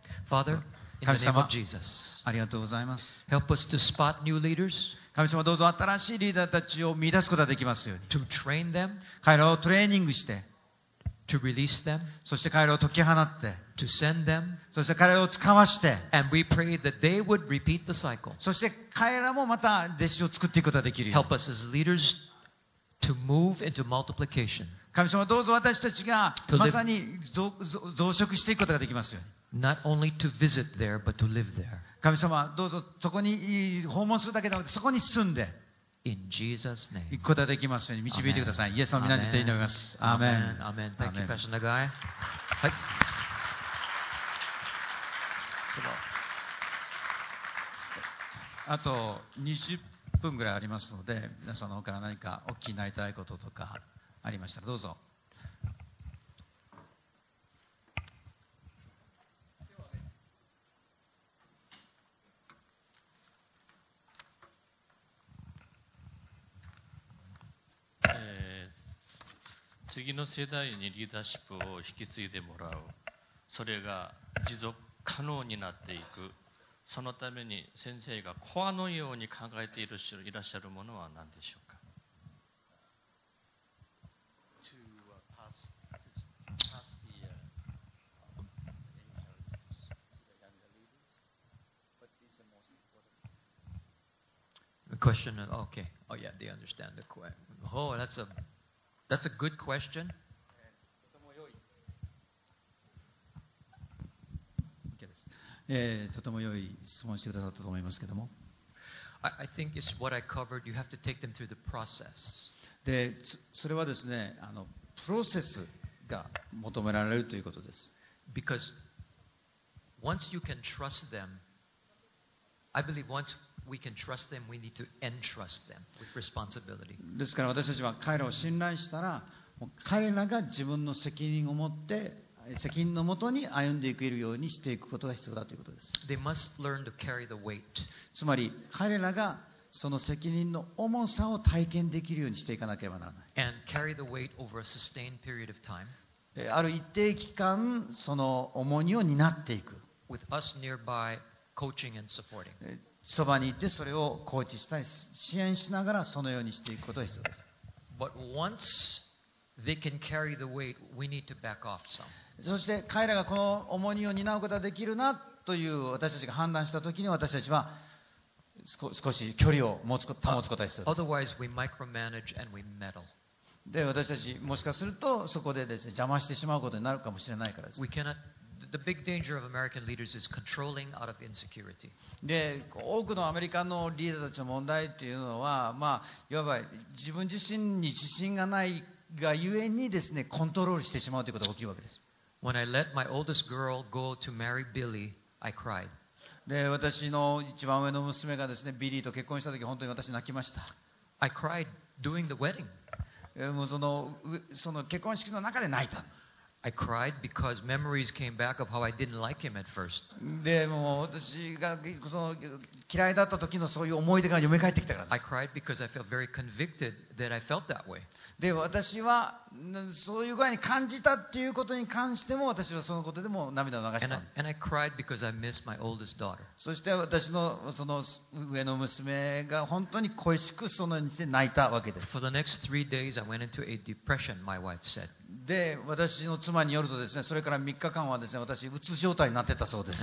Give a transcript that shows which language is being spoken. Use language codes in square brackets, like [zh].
[en] Father, in the name of Jesus. [ja] ありがとうございます。 [en] Help us to spot new leaders. [ja] 神様どうぞ新しいリーダーたちを見出すことができますように。 [en] To train them, [ja] 彼らをトレーニングして。 [en] To release them, [ja] そして彼らを解き放って。 [en] To send them, [ja] そして彼らを使わして。 [en] And we pray that they would repeat the cycle. [ja] そして彼らもまた弟子を作っていくことができるように。 [en] Help us as leaders to move into multiplication. [ja] 神様どうぞ私たちがまさに増殖していくことができますように。 [en] Not only to visit there, but to live there. [ja] 神様どうぞそこに訪問するだけではなくてそこに住んで [en] In Jesus name. [ja] 行くことができますように導いてください。イエスの皆に祈ります。アーメン。 [en] アーメン。Thank you, Pastor Nagai. [ja] あと20分ぐらいありますので皆さんの方から何かお聞きになりたいこととかありましたらどうぞ。次の世代にリーダーシップを引き継いでもらう、それが持続可能になっていく、そのために先生がコアのように考えていらっしゃるものは何でしょうか。 [en] To pass the inheritance to the younger leaders, but is the most important question. Okay. Oh yeah, they understand the question. Oh, That's a good question. [ja] とても良い質問してくださったと思いますけども。 [en] I think it's what I covered. You have to take them through the process. [ja] で、それはですね、プロセスが求められるということです。 [en] Because once you can trust them, I believe once. We can trust them. We need to entrust them with responsibility. [ja] ですから私たちは彼らを信頼したら、もう彼らが自分の責任を持って責任のもとに歩んでいけるようにしていくことが必要だということです。 [en] They must learn to carry the weight. [ja] つまり彼らがその責任の重さを体験できるようにしていかなければならない。 [en] And carry the weight over a sustained period of time. [ja] ある一定期間その重荷を担っていく。 [en] With us nearby, coaching and supporting. [ja] そばに行ってそれをコーチしたり支援しながらそのようにしていくことが必要です。 [en] But once they can carry the weight, we need to back off some. [ja] そして彼らがこの重荷を担うことができるなという私たちが判断したときに私たちは少し距離を保つことが必要です。 [en] Otherwise, we micromanage and we meddle. [ja] で私たちもしかするとそこ で, です、ね、邪魔してしまうことになるかもしれないからです。 [en] We cannot, the big danger of American leaders is controlling out of insecurity. [ja] で多くのアメリカのリーダーたちの問題というのは、まあ、いわば自分自身に自信がないがゆえにですね、コントロールしてしまうということが起きるわけです。 [en] When I let my oldest girl go to marry Billy, I cried. [ja] で私の一番上の娘がですね、ビリーと結婚したとき本当に私泣きました。 [en] I cried during the wedding. [ja] もうその結婚式の中で泣いた。 [en] I cried because memories came back of how I didn't like him at first. [ja] でも私がその嫌いだった時のそういう思い出が蘇ってきたからです。 [en] I cried because I felt very convicted that I felt that way. [ja] で私はそういう具合に感じたっていうことに関しても私はそのことでも涙を流した。 [en] And I cried because I missed my oldest daughter. [ja] そして私のその上の娘が本当に恋しくそのようにして泣いたわけです。 [en] For the next three days, I went into a depression. My wife said. [ja] で私の妻によるとですね、それから3日間はですね、私うつ状態になってたそうです。